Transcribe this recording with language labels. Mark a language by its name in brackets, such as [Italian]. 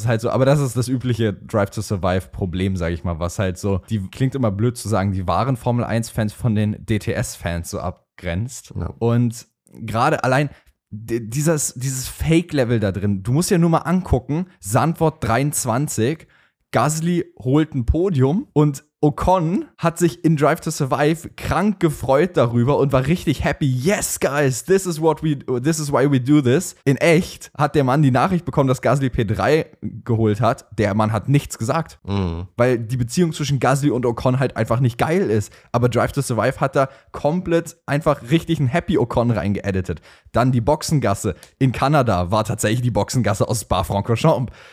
[German] Aber das ist das übliche Drive to Survive Problem, sage ich mal, was halt so, die klingt immer blöd zu sagen, die wahren Formel 1 Fans von den DTS Fans so abgrenzt. Ja. Und gerade allein dieses Fake Level da drin. Du musst ja nur mal angucken, Zandvoort 23, Gasly holt ein Podium und Ocon hat sich in Drive to Survive krank gefreut darüber und war richtig happy. [English] Yes, guys, this is why we do this. [German] In echt hat der Mann die Nachricht bekommen, dass Gasly P3 geholt hat. Der Mann hat nichts gesagt, weil die Beziehung zwischen Gasly und Ocon halt einfach nicht geil ist. Aber Drive to Survive hat da komplett einfach richtig einen happy Ocon reingeeditet. Dann die Boxengasse in Kanada war tatsächlich die Boxengasse aus Spa-Francorchamps.